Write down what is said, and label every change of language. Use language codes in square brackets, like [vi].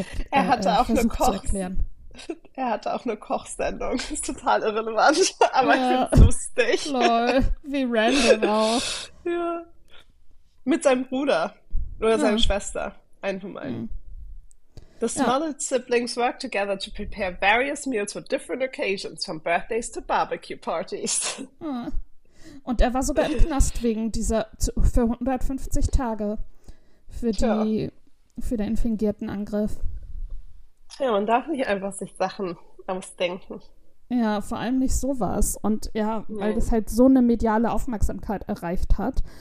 [de] er hatte auch versucht eine zu erklären. Er hatte auch eine Kochsendung. Das ist total irrelevant, aber ja. Ich finde es lustig. Lol, wie random auch. Ja. Mit seinem Bruder oder seiner Schwester. Einfach mal. [en] The Smollett siblings work together to prepare various meals for different occasions, from birthdays to barbecue parties. [de] Und er war sogar im Knast wegen dieser, für 150 Tage, für den fingierten Angriff. Ja, man darf nicht einfach sich Sachen ausdenken. Ja, vor allem nicht sowas. Und ja, weil das halt so eine mediale Aufmerksamkeit erreicht hat.